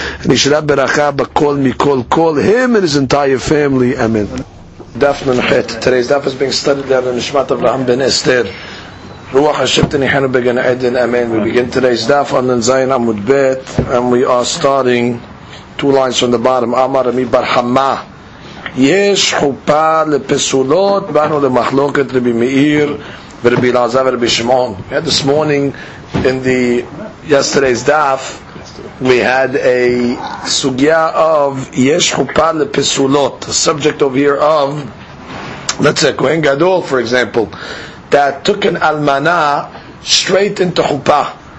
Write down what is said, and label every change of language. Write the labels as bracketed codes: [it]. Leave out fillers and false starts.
[en] And he should have [he] beracha b'kol mikol kol. [en] Him and his entire family. Amen. Daf Nun Chet. Today's daf is being studied down in Nishmat Avraham ben Esther. [he] Ruach Hashem t'nichenu b'gan Eden. [en] Amen. We begin today's daf on the Zayin Amud Bet. And we are starting two lines from the bottom. [arc] Amar Ami Bar Hama. [he] יש חופה לפסולות באנו למחלוקת רבי מאיר ורבי אלעזר ורבי שמעון. [en] We had this morning in the yesterday's daf, we had a sugya of [he] יש חופה לפסולות, [en] the subject over here of, let's say Kohen Gadol for example, that took an almana straight into חופה.